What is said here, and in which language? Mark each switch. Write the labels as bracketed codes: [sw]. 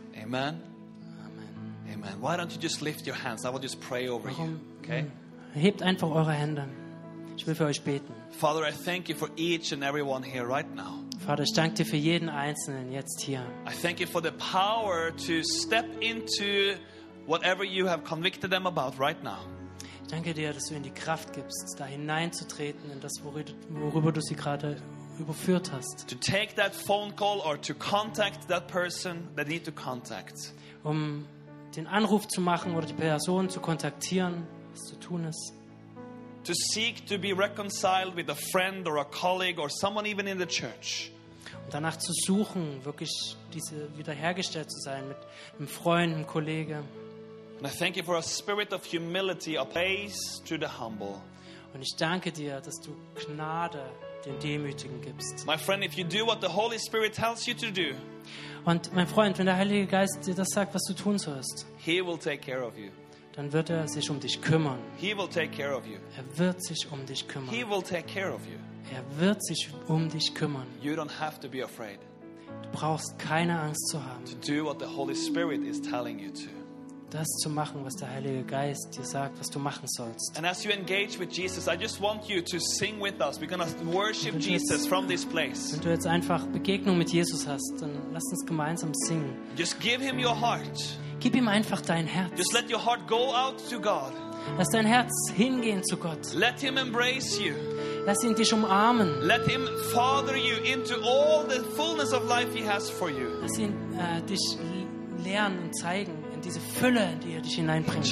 [en] Amen. Amen. Amen. Why don't you just lift your hands? I will just pray over [de] Warum? [en] You. Okay? [de] Hebt einfach eure Hände. Ich will für euch beten. [en] Father, I thank you for each and everyone here right now. [de] Vater, ich danke dir für jeden Einzelnen jetzt hier. [en] I thank you for the power to step into whatever you have convicted them about right now. [de] Ich danke dir, dass du ihnen die Kraft gibst, da hineinzutreten in das, worüber du sie gerade überführt hast. [en] To take that phone call or to contact that person they need to contact. [de] Um den Anruf zu machen oder die Person zu kontaktieren, was zu tun ist. [en] To seek to be reconciled with a friend or a colleague or someone even in the church. [de] Und danach zu suchen, wirklich diese wiederhergestellt zu sein mit einem Freund, einem Kollege. [en] And I thank you for a spirit of humility, a place to the humble. [de] Und ich danke dir, dass du Gnade den Demütigen gibst. [en] My friend, if you do what the Holy Spirit tells you to do. [de] Und mein Freund, wenn der Heilige Geist dir das sagt, was du tun sollst. [en] He will take care of you. [de] Dann wird er sich um dich kümmern. [en] He will take care of you. [de] Er wird sich um dich kümmern. [en] He will take care of you. [de] Er wird sich um dich kümmern. [en] You don't have to be afraid. [de] Du brauchst keine Angst zu haben. [en] To do what the Holy Spirit is telling you to. [de] das zu machen, was der Heilige Geist dir sagt, was du machen sollst. [en] And as you engage with Jesus, I just want you to sing with us. We're gonna worship Jesus from this place. [de] Wenn du jetzt einfach Begegnung mit Jesus hast, dann lass uns gemeinsam singen. [en] Just give him your heart. [de] Gib ihm einfach dein Herz. [en] Just let your heart go out to God. [de] Lass dein Herz hingehen zu Gott. [en] Let him embrace you. [de] Lass ihn dich umarmen. [en] Let him father you into all the fullness of life he has for you. [de] Lass ihn dich lernen und zeigen in diese Fülle, in die er dich hineinbringt.